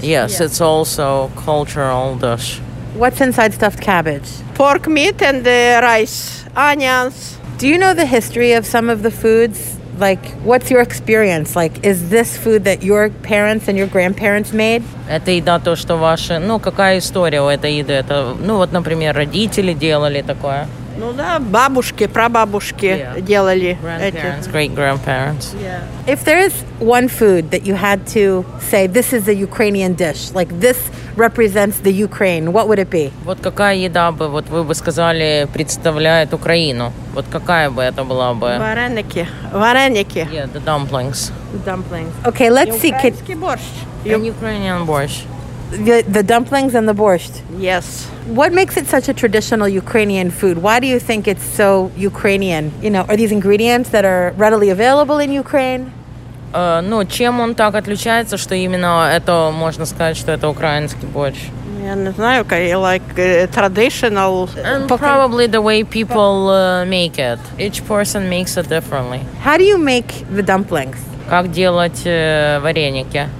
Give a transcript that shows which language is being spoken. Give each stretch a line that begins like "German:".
English: Yes, yeah. It's also cultural dish. What's inside stuffed cabbage? Pork meat and the rice, onions. Do you know the history of some of the foods? Like, what's your experience? Like, is this food that your parents and your grandparents made?
Russian: Это еда то, что ваши. Ну, какая история у этой еды? Это, ну, вот, например, родители делали такое. Ну да, бабушки, прабабушки делали эти.
English: Great-grandparents. Yeah. If there is one food that you had to say, this is a Ukrainian dish, like this represents the Ukraine, what would it be?
Russian: Вот какая еда бы, вот вы бы сказали, представляет Украину? Вот какая бы это была бы? Вареники.
English: Yeah, the dumplings. dumplings. Okay, let's see. Ukrainian borscht. And Ukrainian borscht. The dumplings and the borscht. Yes. What makes it such a traditional Ukrainian food? Why do you think it's so Ukrainian? You know, are these ingredients that are readily available in Ukraine?
Ukrainian: Ну, чим він так відрізняється, що іменно це можна сказати, що це український борщ?
Russian: Я не знаю, traditional.
English: And probably the way people make it. Each person makes it differently. How do you make the dumplings?
Ukrainian: Як робити вареники?